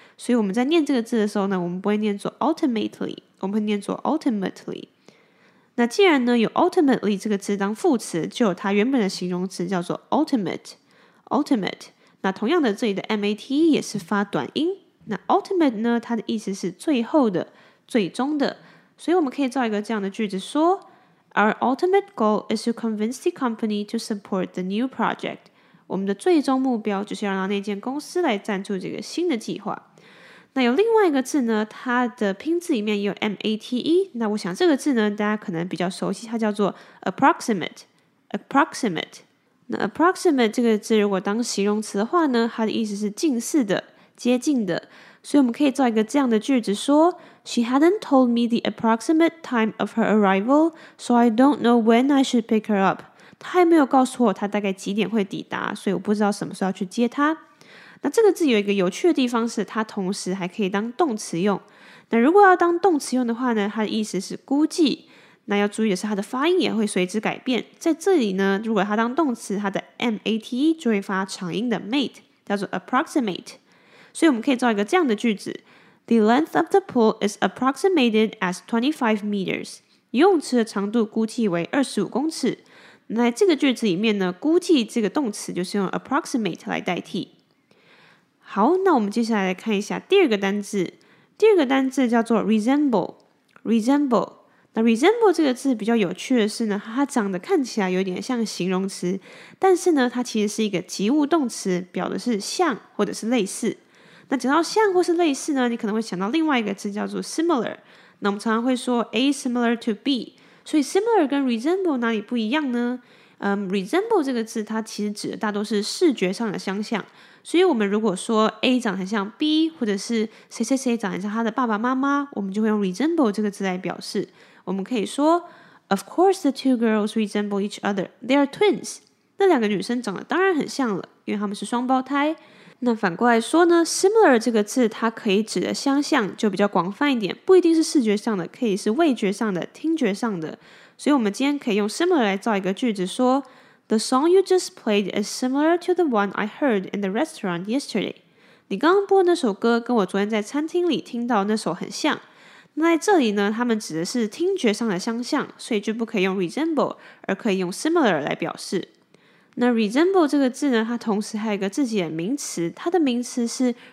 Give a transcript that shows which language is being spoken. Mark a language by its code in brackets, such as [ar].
[zh] 所以我们在念这个字的时候呢，我们不会念作 ultimately, 我们会念作 ultimately。那既然呢有 ultimately 这个词当副词，就有它原本的形容词叫做 ultimate。那同样的，这里的 mate 也是发短音。那 ultimate 呢，它的意思是最后的、最终的。所以我们可以造一个这样的句子说 [en] ：Our ultimate goal is to convince the company to support the new project。 [zh] 我们的最终目标就是要让那间公司来赞助这个新的计划。那有另外一个字呢，它的拼字里面也有 mate, 那我想这个字呢大家可能比较熟悉，它叫做 approximate。那 approximate 这个字如果当形容词的话呢，它的意思是近似的、接近的。所以我们可以造一个这样的句子说 [en] She hadn't told me the approximate time of her arrival, so I don't know when I should pick her up. [zh] 她还没有告诉我她大概几点会抵达，所以我不知道什么时候要去接她。那这个字有一个有趣的地方是它同时还可以当动词用。那如果要当动词用的话呢，它的意思是估计。那要注意的是它的发音也会随之改变。在这里呢，如果它当动词，它的 mate 就会发长音的 mate, 叫做 approximate。所以我们可以造一个这样的句子 [en] ,The length of the pool is approximated as 25 meters. [zh] 游泳池的长度估计为25公尺。那在这个句子里面呢，估计这个动词就是用 approximate 来代替。好，那我们接下来看一下第二个单字。第二个单字叫做 resemble。那 resemble 这个字比较有趣的是呢，它长得看起来有点像形容词，但是呢，它其实是一个及物动词，表的是像或者是类似。那讲到像或是类似呢，你可能会想到另外一个字叫做 similar。那我们常常会说 A similar to B。所以 similar 跟 resemble 哪里不一样呢？resemble 这个字它其实指的大多是视觉上的相像，所以我们如果说 A 长很像 B, 或者是谁谁谁长很像他的爸爸妈妈，我们就会用 resemble 这个字来表示。我们可以说 [en] Of course the two girls resemble each other, they are twins. [zh] 那两个女生长得当然很像了，因为他们是双胞胎。那反过来说呢， similar 这个字它可以指的相像就比较广泛一点，不一定是视觉上的，可以是味觉上的、听觉上的。所以我们今天可以用 [en] similar [zh] 来造一个句子说 [en] The song you just played is similar to the one I heard in the restaurant yesterday. [zh] 你刚刚播的那首歌跟我昨天在餐厅里听到那首很像。那在这里呢，他们指的是听觉上的相像，所以就不可以用 resemble, 而可以用 similar 来表示。那 resemble 这个字呢，它同时还有一个自己的名词，它的名词是